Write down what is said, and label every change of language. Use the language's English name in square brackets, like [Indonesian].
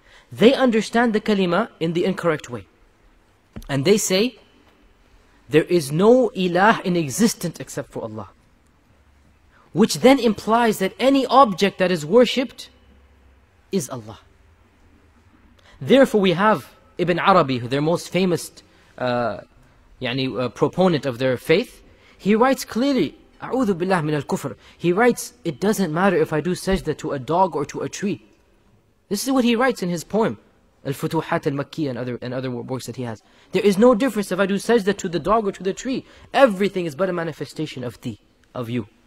[English] They understand the kalima in the incorrect way. And they say, there is no ilah in existence except for Allah. Which then implies that any object that is worshipped is Allah. Therefore we have Ibn Arabi, their most famous proponent of their faith. He writes clearly, [Arabic] أعوذ بالله من الكفر. [English] He writes, it doesn't matter if I do sajda to a dog or to a tree. This is what he writes in his poem, Al-Futuhat al-Makkiyah and other works that he has. There is no difference if I do sajda to the dog or to the tree. Everything is but a manifestation of thee, of you.